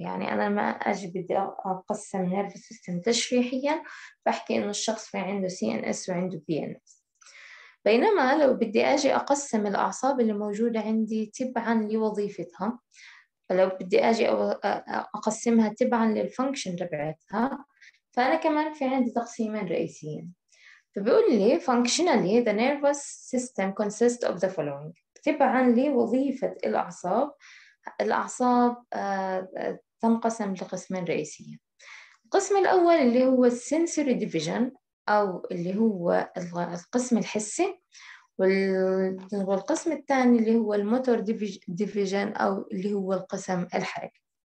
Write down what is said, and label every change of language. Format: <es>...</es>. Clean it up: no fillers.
<ar>يعني أنا ما أجي بدي أقسم نيرفس سيستم تشريحياً، بحكي إنه الشخص في عنده سي إن إس وعنده بي إن إس. بينما لو بدي أجي أقسم الأعصاب اللي موجودة عندي تبعاً لوظيفتها، لو بدي أجي أقسمها تبعاً للفنكشن تبعتها، فأنا كمان في عندي تقسيمين رئيسيين. بيقول لي</ar> <en>functionally the nervous system consists of the following.</en> <ar>تبعا لوظيفة الأعصاب، الأعصاب تنقسم لقسمين رئيسيين. القسم الأول اللي هو sensory division أو اللي هو القسم الحسي، والقسم الثاني اللي هو الموتور ديفيجن أو اللي هو القسم الحركي.</ar>